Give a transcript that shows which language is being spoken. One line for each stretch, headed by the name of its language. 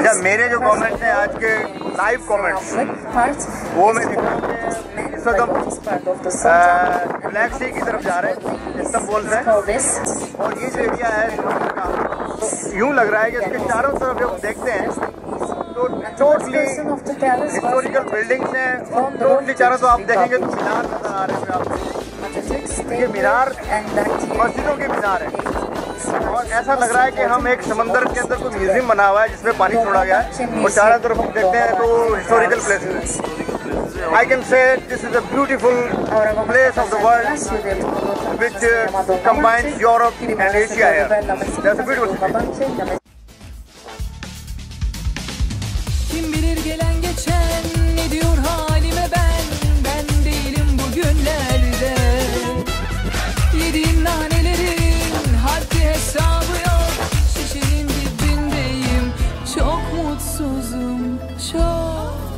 Hindi: अच्छा मेरे जो कमेंट्स हैं आज के लाइव कमेंट्स वो मैं दिखा इस वक्त हम ब्लैक सी की तरफ जा रहे हैं इस्तांबुल से और ये जो एरिया है यूं लग रहा है कि इसके चारों तरफ जब देखते हैं टोटली हिस्टोरिकल बिल्डिंग्स हैं टोटली चारों तो आप देखेंगे तो मीनार नजर आ रहे हैं आप ये मीनार मस्जिदों के मीनार हैं और ऐसा लग रहा है कि हम एक समंदर के अंदर कोई म्यूजियम बना हुआ है जिसमें पानी छोड़ा गया है और चारों तरफ हम देखते हैं तो हिस्टोरिकल प्लेसेस है.
English: I can say this is a beautiful place of the world which combines Europe and Asia here. That's a beautiful thing.
Turkish: Kim bilir gelen geçen ne diyor halime ben? Ben değilim bugünlerde. Yediğim nanelerin harfi hesabı yok. Şişenin dibindeyim. Çok mutsuzum.